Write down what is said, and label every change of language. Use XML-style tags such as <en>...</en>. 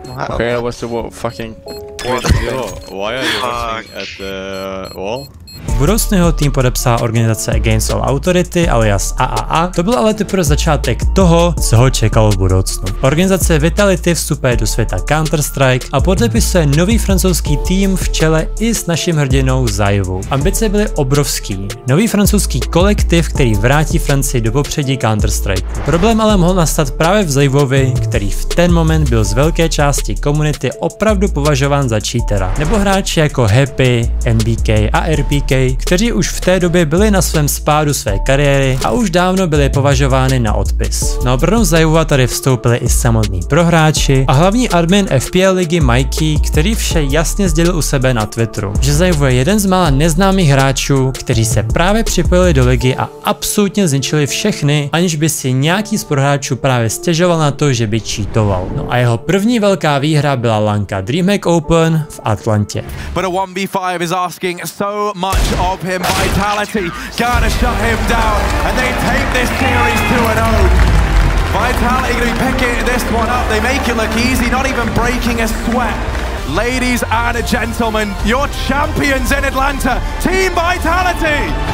<en>Okay, I was about fucking. Why are you looking at the wall?</en> <cs>Budoucnu jeho tým podepsala organizace Against All Authority alias AAA, to byl ale teprve začátek toho, co ho čekalo v budoucnu. Organizace Vitality vstupuje do světa Counter-Strike a podepisuje nový francouzský tým v čele i s naším hrdinou Zajevu. Ambice byly obrovský, nový francouzský kolektiv, který vrátí Francii do popředí Counter-Strike. Problém ale mohl nastat právě v Zajevovi, který v ten moment byl z velké části komunity opravdu považován za cheatera, nebo hráči jako Happy, MBK a RPK, kteří už v té době byli na svém spádu své kariéry a už dávno byli považovány na odpis. Na obranu Zajevova tady vstoupili i samotní prohráči a hlavní admin FPL ligy Mikey, který vše jasně sdělil u sebe na Twitteru, že Zajevu je jeden z mála neznámých hráčů, kteří se právě připojili do ligy a absolutně zničili všechny, aniž by si nějaký z prohráčů právě stěžoval na to, že by cheatoval. No a jeho první velká výhra byla lanka DreamHack Open v Atlantě.</cs> <en>But a 1v5 is asking so much. Much of him, Vitality gonna shut him down, and they take this series 2-0. Vitality gonna be picking this one up. They make it look easy, not even breaking a sweat. Ladies and gentlemen, your champions in Atlanta, Team Vitality.</en>